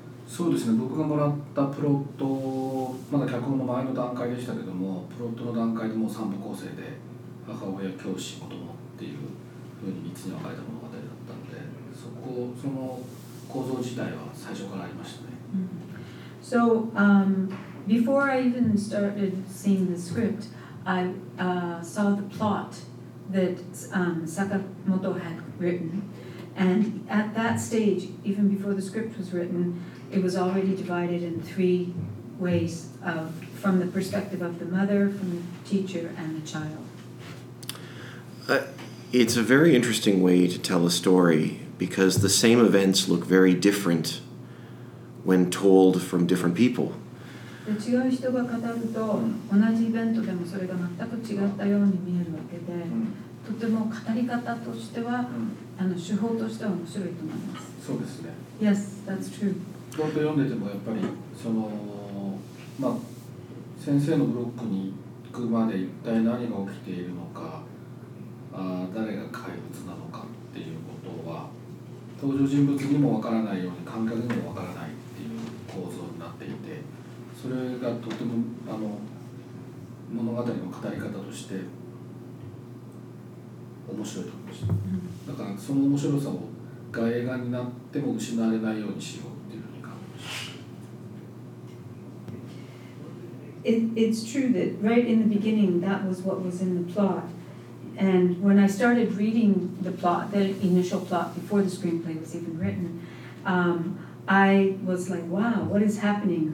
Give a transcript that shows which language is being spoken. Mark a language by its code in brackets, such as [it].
[ja] そうですね、僕がもらったプロット、まだ脚本の前の段階でしたけども、プロットの段階でもう3部構成で母親、教師、子供っていうふうに3つに分かれた物語だったんで、その構造自体は最初からありましたね。 [en] So, before I even started seeing the script, I saw the plot that Sakamoto had written. And at that stage, even before the script was written,it was already divided in three ways from the perspective of the mother, from the teacher, and the child. It's a very interesting way to tell a story, because the same events look very different when told from different people. [ja] 違う人が語ると同じイベントでもそれが全く違ったように見えるわけで、とても語り方としては手法としては面白いと思います。そうですね。 [en] Yes, that's true. [ja] ちょっと読んでてもやっぱりその、まあ、先生のブロックに行くまで一体何が起きているのか、誰が怪物なのかっていうことは登場人物にも分からないように観客にも分からないっていう構造になっていて、それがとても物語の語り方として面白いと思いました。だからその面白さを外映画になっても失われないようにしよう。 [en] It's true that right in the beginning, that was what was in the plot. And when I started reading the plot, the initial plot before the screenplay was even written, I was like, wow, what is happening?